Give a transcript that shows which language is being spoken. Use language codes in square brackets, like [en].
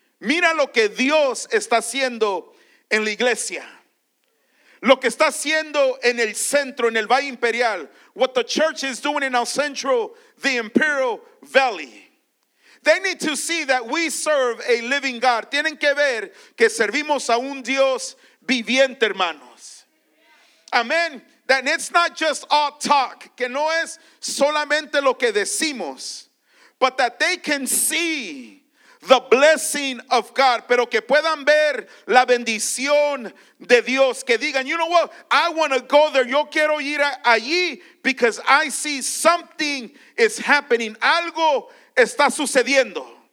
[es] Mira lo que Dios está haciendo en la iglesia. Lo que está haciendo en el centro, en el Valle Imperial. [en] What the church is doing in our central, the Imperial Valley. They need to see that we serve a living God. [es] Tienen que ver que servimos a un Dios viviente, hermanos. [en] Amen. That it's not just all talk. [es] Que no es solamente lo que decimos. [en] But that they can see the blessing of God, [es] pero que puedan ver la bendición de Dios, que digan, [en] you know what, I want to go there, [es] yo quiero ir allí, [en] because I see something is happening, [es] algo está sucediendo.